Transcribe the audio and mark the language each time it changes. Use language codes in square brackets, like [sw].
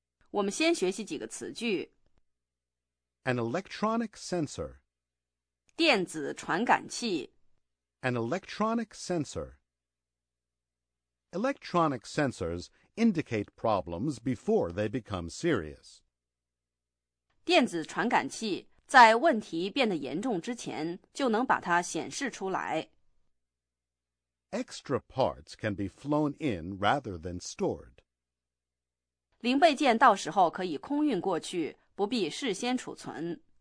[zh] 我们先学习几个词句。 [en] An electronic sensor. [zh] 电子传感器。 [en] An electronic sensor. Electronic sensors indicate problems before they become serious. [zh] 电子传感器在问题变得严重之前就能把它显示出来。 [en] Extra parts can be flown in rather than stored. [zh] 零备件到时候可以空运过去，不必事先储存。